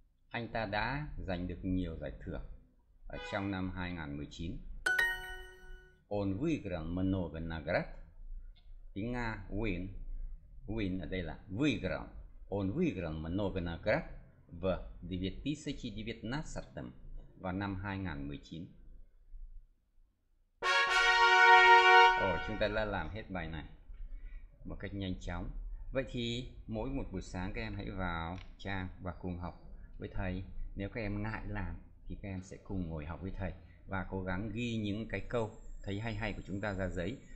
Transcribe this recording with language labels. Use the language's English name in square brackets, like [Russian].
[Vietnamese] Anh ta đã giành được nhiều giải thưởng ở trong năm 2019. [Russian] Он выиграл много наград. [Vietnamese] Tiếng Nga win. Win ở đây là выиграл. [Russian] Он выиграл много наград в 2019 [Vietnamese] vào năm 2019. Chúng ta đã làm hết bài này một cách nhanh chóng. Vậy thì mỗi một buổi sáng các em hãy vào trang và cùng học với thầy. Nếu các em ngại làm thì các em sẽ cùng ngồi học với thầy và cố gắng ghi những cái câu thấy hay hay của chúng ta ra giấy.